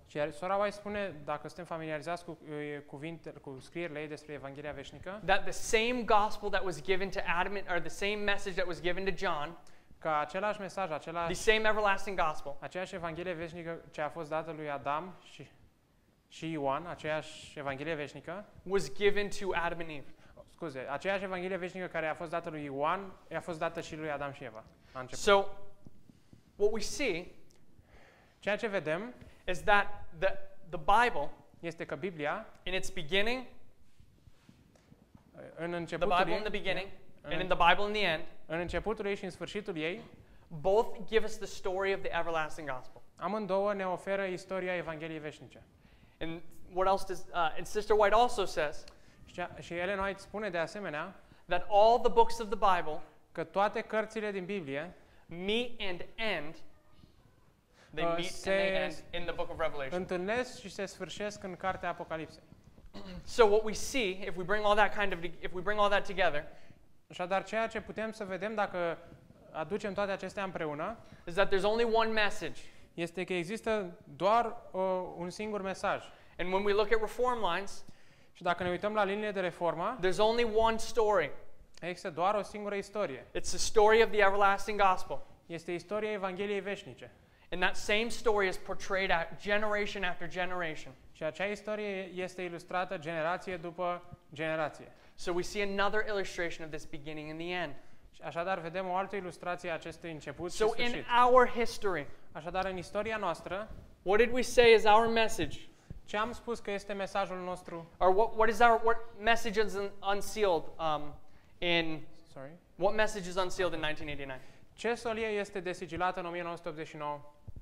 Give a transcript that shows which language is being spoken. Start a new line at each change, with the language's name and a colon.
Romanian: Și sora White spune, dacă suntem familiarizați cu cuvintele, cu scrierile ei despre evanghelia veșnică,
English: that the same gospel that was given to Adam or the same message that was given to John,
Romanian: că același mesaj, același
English: the same everlasting gospel,
Romanian: aceeași evanghelie veșnică ce a fost dată lui Adam și Ioan, aceeași evanghelie veșnică,
English: was given to Adam and Eve.
Romanian: Scuze, aceeași evanghelie veșnică care a fost dată lui Ioan, i-a fost dată și lui Adam și Eva. La început.
English: So what we see,
Romanian: ceea ce vedem,
English: is that the Bible,
Romanian: este că Biblia,
English: in its beginning,
Romanian: în începutul,
English: the Bible in the beginning, and in the Bible in the end,
Romanian: în începutul ei și în sfârșitul ei,
English: both give us the story of the everlasting gospel.
Romanian: Amândouă ne oferă istoria evangheliei veșnice.
English: And what else does and Sister White also says?
Romanian: Și Ellen White spune de asemenea,
English: that all the books of the Bible,
Romanian: că toate cărțile din Biblie,
English: meet and end. They meet and they end in the book of Revelation.
Romanian: Întâlnesc și se sfârșesc în cartea Apocalipsei.
English: So what we see, if we bring all that kind of, if we bring all that together,
Romanian: așadar ceea ce putem să vedem dacă aducem toate acestea împreună,
English: is that there's only one message.
Romanian: Este că există doar un singur mesaj.
English: And when we look at reform lines,
Romanian: și dacă ne uităm la liniile de reformă,
English: there's only one story.
Romanian: Există doar o singură istorie.
English: It's the story of the everlasting gospel.
Romanian: Este istoria evangheliei veșnice.
English: And that same story is portrayed at generation after generation.
Romanian: Și acea istorie este ilustrată generație după generație.
English: So we see another illustration of this beginning and the end.
Romanian: Așadar vedem o altă ilustrație a acestui început și sfârșit.
English: So in our history,
Romanian: așadar în istoria noastră,
English: what did we say is our message?
Romanian: Ce am spus că este mesajul nostru?
English: Or what message is unsealed in 1989?
Romanian: Ce solie este desigilată în 1989?